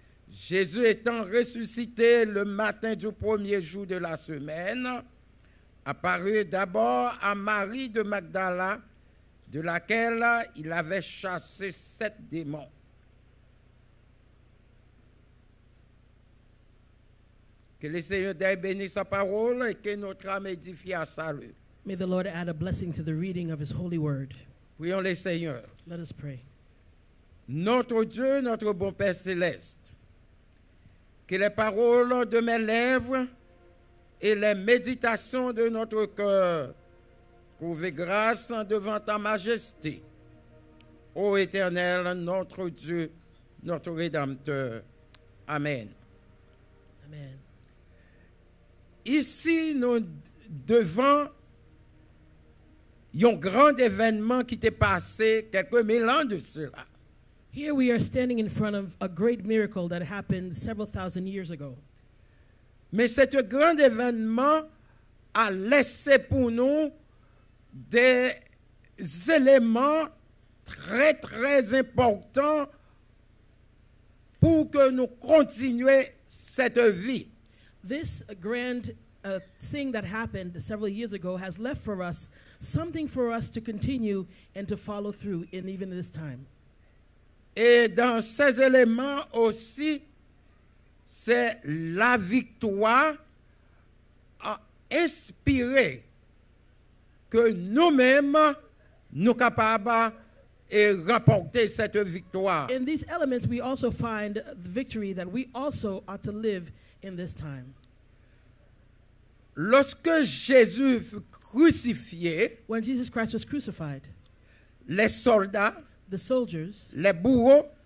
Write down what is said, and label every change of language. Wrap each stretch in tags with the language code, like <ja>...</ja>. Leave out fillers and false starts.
<fr>Jésus étant ressuscité le matin du premier jour de la semaine, apparut d'abord à Marie de Magdala, de laquelle il avait chassé sept démons. Que le Seigneur bénisse sa parole et que notre âme édifie à salut.</fr> <en>May the Lord add a blessing to the reading of his holy word.</en> <fr>Prions le Seigneur.</fr> <en>Let us pray.</en> <fr>Notre Dieu, notre bon Père céleste, que les paroles de mes lèvres et les méditations de notre cœur trouvez grâce devant ta majesté. Ô Éternel, notre Dieu, notre Rédempteur. Amen. Amen. Ici, nous devant un grand événement qui était passé quelques mille ans de cela.</fr> <en>Here we are standing in front of a great miracle that happened several thousand years ago.</en> <fr>Mais cet grand événement a laissé pour nous des éléments très très importants pour que nous continuions cette vie.</fr> <en>This grand thing that happened several years ago has left for us something for us to continue and to follow through in even this time.</en> <fr>Et dans ces éléments aussi, c'est la victoire à inspirer que nous-mêmes nous capables et rapporter cette victoire.</fr> <en>In these elements, we also find the victory that we also ought to live in this time.</en> <fr>Lorsque Jésus fut crucifié,</fr> <en>when Jesus Christ was crucified,</en> <fr>les soldats,</fr> <en>the soldiers,</en> <fr>les bourreaux,</fr>